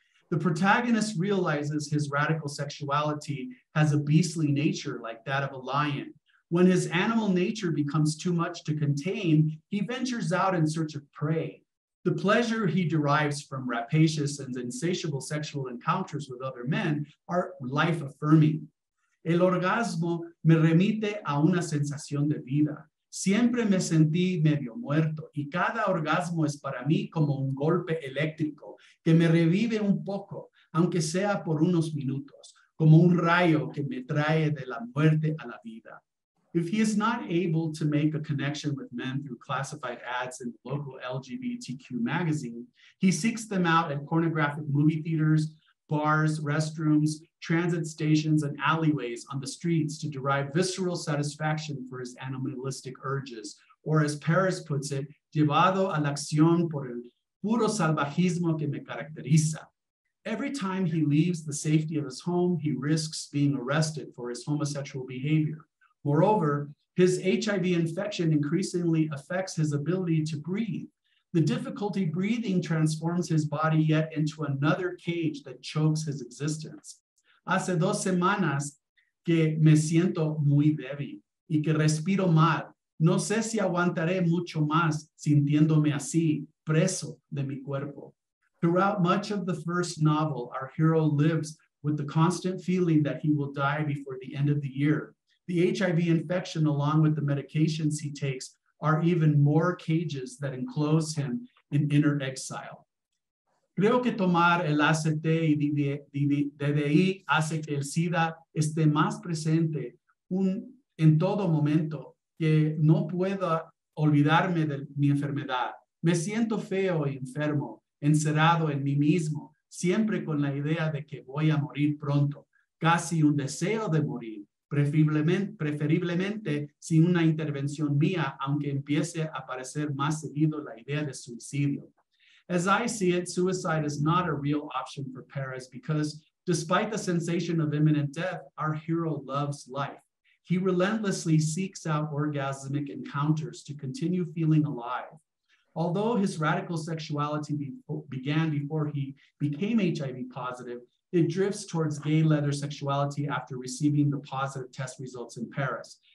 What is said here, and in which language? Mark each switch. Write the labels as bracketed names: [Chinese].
[English] The protagonist realizes his radical sexuality has a beastly nature like that of a lion. When his animal nature becomes too much to contain, he ventures out in search of prey. The pleasure he derives from rapacious and insatiable sexual encounters with other men are life-affirming. [Spanish] El orgasmo me remite a una sensación de vida. Siempre me sentí medio muerto, y cada orgasmo es para mí como un golpe eléctrico que me revive un poco, aunque sea por unos minutos, como un rayo que me trae de la muerte a la vida. [English] If he is not able to make a connection with men through classified ads in the local LGBTQ magazine, he seeks them out at pornographic movie theaters, bars, restrooms, transit stations, and alleyways on the streets to derive visceral satisfaction for his animalistic urges, or as Pérez puts it, [Spanish] llevado a la acción por el puro salvajismo que me caracteriza. [English] Every time he leaves the safety of his home, he risks being arrested for his homosexual behavior. Moreover, his HIV infection increasingly affects his ability to breathe. The difficulty breathing transforms his body yet into another cage that chokes his existence. [Spanish] Hace dos semanas que me siento muy débil y que respiro mal. No sé si aguantaré mucho más sintiéndome así, preso de mi cuerpo. [English] Throughout much of the first novel, our hero lives with the constant feeling that he will die before the end of the year. The HIV infection, along with the medications he takes, are even more cages that enclose him in inner exile. [Spanish] Creo que tomar el ACT y DDI hace que el SIDA esté más presente en todo momento, que no pueda olvidarme de mi enfermedad. Me siento feo y enfermo, encerrado en mí mismo, siempre con la idea de que voy a morir pronto, casi un deseo de morir. Preferiblemente sin una intervención mía, aunque empiece a aparecer más seguido la idea de suicidio. [English] As I see it, suicide is not a real option for Pérez because, despite the sensation of imminent death, our hero loves life. He relentlessly seeks out orgasmic encounters to continue feeling alive. Although his radical sexuality began before he became HIV positive, it drifts towards gay leather sexuality after receiving the positive test results in Pérez.